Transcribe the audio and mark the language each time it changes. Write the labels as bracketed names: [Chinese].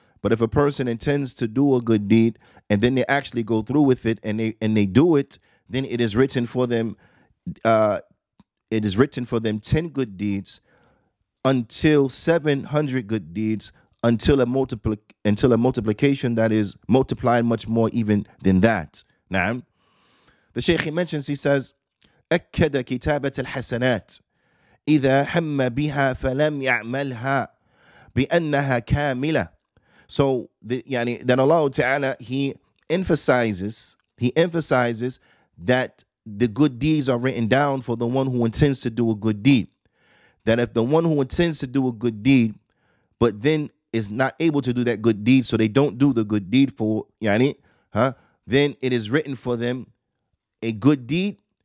[English] But if a person intends to do a good deed and then they actually go through with it and they do it, then it is written for them. It is written for them 10 good deeds until 700 good deeds, until a multiplication that is multiplied much more even than that. Now, the Shaykh, he mentions, he says, [Arabic] أكد كتابة الحسنات إذا هم بها فلم يعملها بأنها كاملة. [English] So then Allah Ta'ala, he emphasizes that the good deeds are written down for the one who intends to do a good deed. That if the one who intends to do a good deed but then is not able to do that good deed, so they don't do the good deed for then it is written for them a good deed.